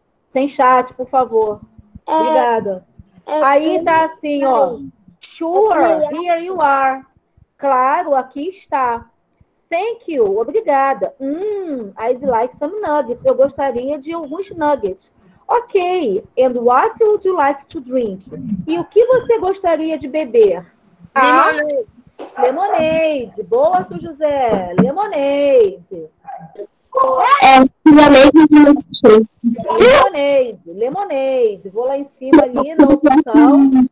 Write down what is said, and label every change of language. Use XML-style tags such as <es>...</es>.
<pt>Sem chat, por favor. Obrigada. Aí tá assim, ó.</pt> <en>Sure, here you are.</en> <pt>Claro, aqui está.</pt> <en>Thank you, obrigada. I'd like some nuggets.</en> <pt>Eu gostaria de alguns nuggets.</pt> <en>Ok, and what would you like to drink?</en> <pt>E o que você gostaria de beber?</pt> <en>Lemonade.</en> <pt>Boa, tu, José. Lemonade.</pt> <en>Lemonade.</en> <pt>Vou lá em cima ali na opção.</pt>